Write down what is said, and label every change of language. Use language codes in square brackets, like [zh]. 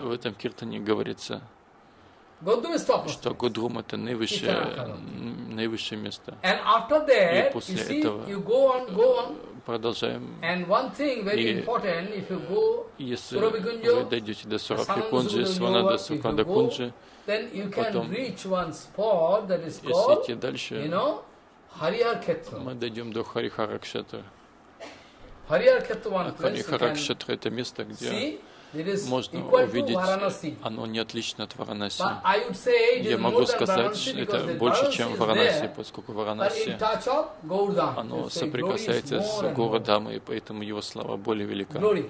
[ru] В этом киртане говорится, что Годрум – это наивысшее место. [en] And after that, [ru] и после этого продолжаем. [en] And one thing very important, if you go, [ru] если вы дойдете до Сурабхи Кунджи, Сванада Сукханда Кунджи, [en] then you can reach one spot that is called, you know, Harihar Khetra. [ru] Мы дойдем до Харихара Кшетра. [en] Харихар Кхетра – one place. [ru] Харихара Кшетра – это место, где можно увидеть, оно не отлично от Варанаси. Я могу сказать, что это больше, чем Варанаси, поскольку Варанаси, оно соприкасается с городом, и поэтому его слава более велика.